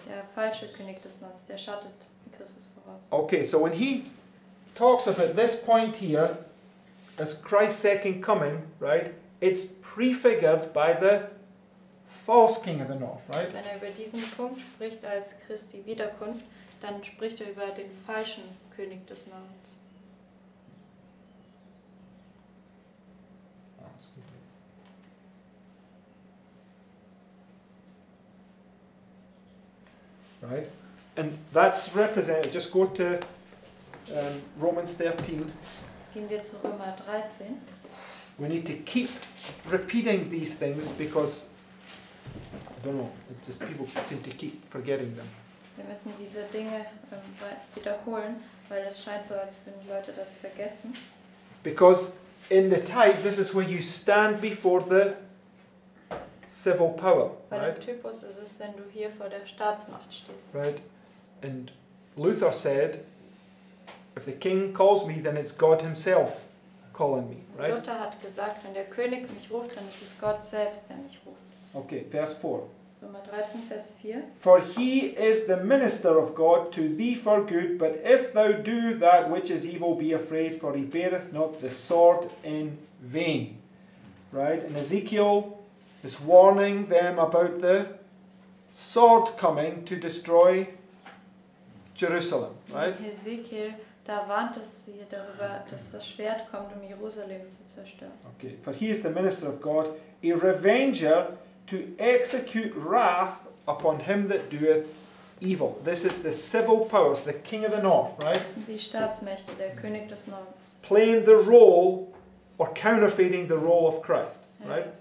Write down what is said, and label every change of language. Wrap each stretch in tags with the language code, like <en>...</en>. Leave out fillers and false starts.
<de>Der falsche König des Nordens, der schattet Christus voraus.</de> <en>Okay, so when he talks about this point here as Christ's second coming, right? It's prefigured by the false king of the north, right?</en> <de>Wenn er über diesen Punkt spricht als Christi Wiederkunft, dann spricht er über den falschen König des Nordens.</de> <en>Right, and that's represented. Just go to Romans 13.</en> <de>Gehen wir zu Römer 13.</de> <en>We need to keep repeating these things because I don't know. It just people seem to keep forgetting them.</en> <de>Wir müssen diese Dinge wiederholen, weil es scheint so, als würden Leute das vergessen.</de> <en>Because in the type, this is where you stand before the civil power.</en> <de>Bei dem Typus ist es, wenn du hier vor der Staatsmacht stehst.</de> <en>Right. And Luther said, if the king calls me, then it's God himself calling me. Right?</en> <de>Luther hat gesagt, wenn der König mich ruft, dann ist es Gott selbst, der mich ruft. Okay, Vers 4. Römer 13, Vers 4.</de> <en>For he is the minister of God to thee for good, but if thou do that which is evil, be afraid, for he beareth not the sword in vain. Right? In Ezekiel, is warning them about the sword coming to destroy Jerusalem, right?</en> <de>In Ezekiel, da warnt es sie darüber, dass das Schwert kommt, Jerusalem zu zerstören.</de> <en>Okay, for he is the minister of God, a revenger to execute wrath upon him that doeth evil. This is the civil powers, the king of the north, right?</en> <de>Die Staatsmächte, der König des Nordens.</de> <en>Playing the role or counterfeiting the role of Christ, right?</en>